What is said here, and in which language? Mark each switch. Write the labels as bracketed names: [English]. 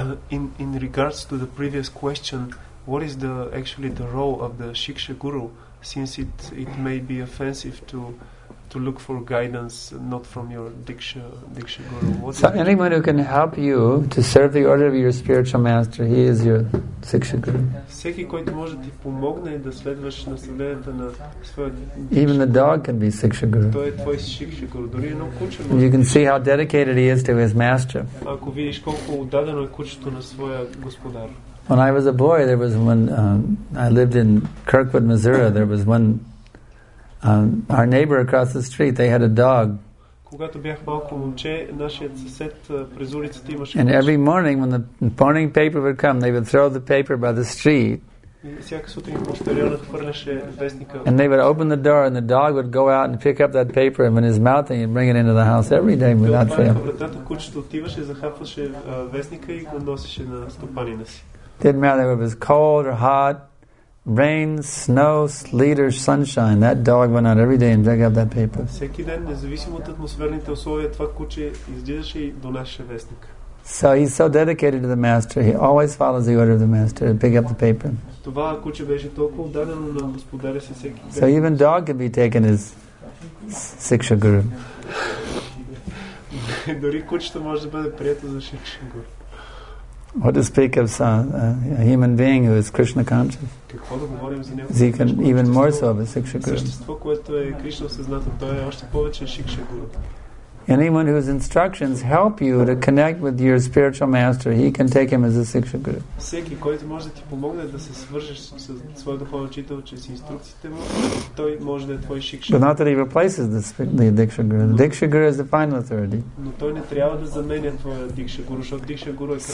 [English] In regards to the previous question, what is the actually the role of the Shiksha Guru, since it may be offensive to look for guidance not from your Diksha Guru? So anyone who can help you to serve the order of your spiritual master, he is your Shiksha Guru. [Bulgarian] Всеки, който може да ти помогне да следваш наставленията на своят [English] Even the dog can be Shiksha Guru. [Bulgarian] Той е твой Shiksha Guru. Дори едно куче може. [English] You can see how dedicated he is to his master. [Bulgarian] Ако видиш колко отдадено е кучето на своя господар. [English] When I was a boy, there was one, I lived in Kirkwood, Missouri, there was one our neighbor across the street, they had a dog. [Bulgarian] Когато бях малко момче, нашият съсед през улицата имаше. [English] And every morning when the morning paper would come, they would throw the paper by the street. [Bulgarian] Всяка сутрин почтарионът хвърляше вестника. [English] And they would open the door and the dog would go out and pick up that paper and in his mouth and he'd bring it into the house every day without fail. [Bulgarian] Когато вратата кучето отиваше, захапваше вестника и го носеше на стопанина си. [English] Didn't matter if it was cold or hot. Rain, snow, sleet or sunshine, that dog went out every day and dug up that paper. [Bulgarian] Всеки ден, независимо от атмосферните условия, това куче издигаше и донасяше вестник. [English] So he's so dedicated to the master, he always follows the order of the master to pick up the paper. [Bulgarian] Това куче беше толкова отдадено на господаря си всеки ден. [English] So even dog can be taken as Shiksha Guru. [Bulgarian] Дори кучето може да бъде прието за Shiksha Guru. [English] What to speak of a human being who is Krishna conscious? Is he can even more so of a Shiksha Guru? Anyone whose instructions help you to connect with your spiritual master, he can take him as a Shiksha Guru. [Bulgarian] Всеки, който може да ти помогне да се свържеш с своя духовен учител, чрез инструкциите му, той може да е твой Shiksha Guru. [English] But not that he replaces the Diksha Guru. The Diksha Guru is the final authority. [Bulgarian] Но той не трябва да заменя твоя Diksha Guru, защото Diksha Guru е крайният.